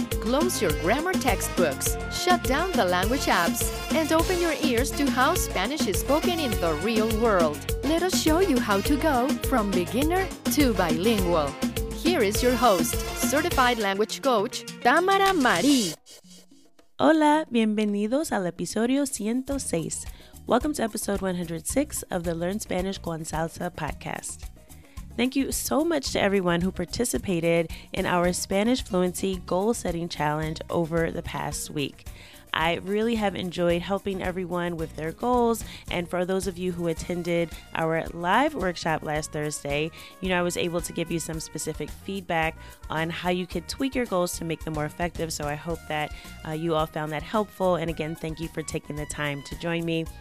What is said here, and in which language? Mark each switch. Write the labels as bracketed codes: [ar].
[en] Close your grammar textbooks, shut down the language apps, and open your ears to how Spanish is spoken in the real world. Let us show you how to go from beginner to bilingual. Here is your host, certified language coach, Tamara Marí. [es] Hola, bienvenidos al episodio 106. [en] Welcome to episode 106 of the Learn Spanish con Salsa podcast. Thank you so much to everyone who participated in our Spanish Fluency Goal Setting Challenge over the past week. I really have enjoyed helping everyone with their goals, and for those of you who attended our live workshop last Thursday, you know I was able to give you some specific feedback on how you could tweak your goals to make them more effective, so I hope that you all found that helpful, and again, thank you for taking the time to join me.